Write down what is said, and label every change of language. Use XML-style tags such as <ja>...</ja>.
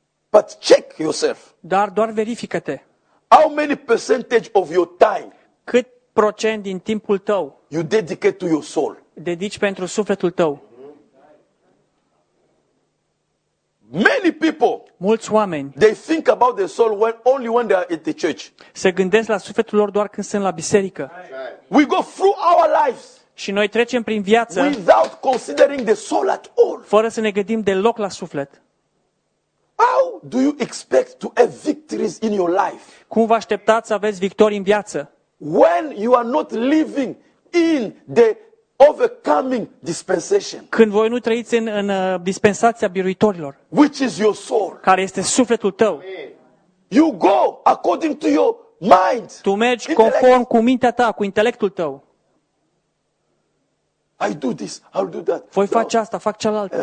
<en>But check yourself.</en> <ro>Dar doar verifică-te.</ro> <en>How many percentage of your time?</en> <ro>Cât procent din timpul tău?</ro> <en>You dedicate to your soul.</en> <ro>dedici pentru sufletul tău.</ro> <en>Many people.</en> <ro>Mulți oameni.</ro> <en>They think about their soul when only when they are at the church.</en> <ro>Se gândesc la sufletul lor doar când sunt la biserică.</ro> <en>We go through our lives.</en> <ro>Și noi trecem prin viață.</ro> <en>Without considering the soul at all.</en> <ro>Fără să ne gândim deloc la suflet.</ro> <en>How do you expect to have victories in your life?</en> <ro>Cum vă așteptați să aveți victorii în viață?</ro> <en>When you are not living in the overcoming dispensation.</en> <ro>Când voi nu trăiți în dispensația biruitorilor.</ro> <en>Which is your soul?</en> <ro>Care este sufletul tău?</ro> <en>You go according to your mind.</en> <ro>Tu mergi conform cu mintea ta, cu intelectul tău.</ro> <en>I do this, I'll do that.</en> <ro>Voi face asta, fac cealaltă.</ro>